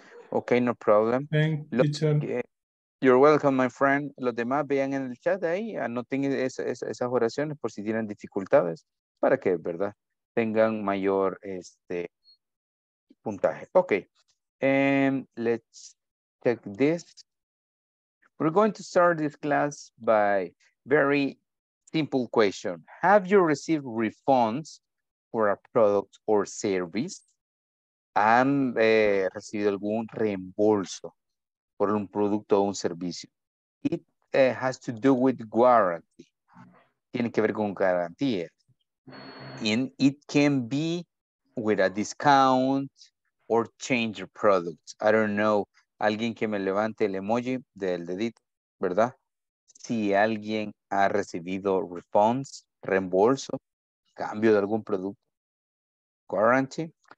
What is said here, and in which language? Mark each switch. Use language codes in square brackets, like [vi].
[en] Okay, no problem. Thank you, teacher. You're welcome, my friend. [es] Los demás vean en el chat ahí, anoten esas oraciones por si tienen dificultades, para que, ¿verdad?, tengan mayor puntaje. [en] Okay. Let's check this. We're going to start this class by very simple question. Have you received refunds for a product or service? [es] ¿Han recibido algún reembolso por un producto o un servicio? [en] It has to do with guarantee. [es] Tiene que ver con garantía. [en] And it can be with a discount or change your product. I don't know. [es] Alguien que me levante el emoji del dedito, ¿verdad? Si alguien ha recibido refunds, reembolso, cambio de algún producto, guarantee.